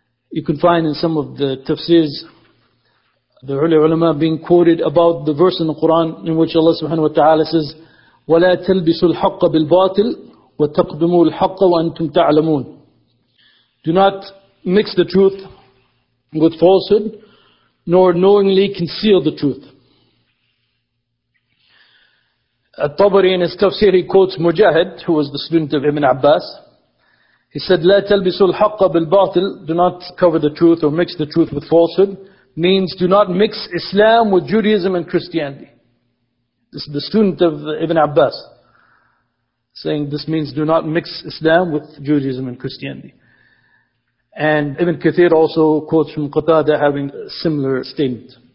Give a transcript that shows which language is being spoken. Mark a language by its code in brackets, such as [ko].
[en] You can find in some of the tafsirs, the early ulama being quoted about the verse in the Quran in which Allah subhanahu wa ta'ala says, [ar] وَلَا تَلْبِسُوا الْحَقَّ بِالْبَاطِلِ وَتَقْدُمُوا الْحَقَّ وَأَنْتُمْ تَعْلَمُونَ. [en] Do not mix the truth with falsehood, nor knowingly conceal the truth. At-Tabari in his tafsir, he quotes Mujahid, who was the student of Ibn Abbas. He said, [ar] لَا تَلْبِسُوا الْحَقَّ بِالْبَاطِلِ. [en] Do not cover the truth or mix the truth with falsehood. Means do not mix Islam with Judaism and Christianity. This is the student of Ibn Abbas. saying this means do not mix Islam with Judaism and Christianity. And Ibn Kathir also quotes from Qatada having a similar statement.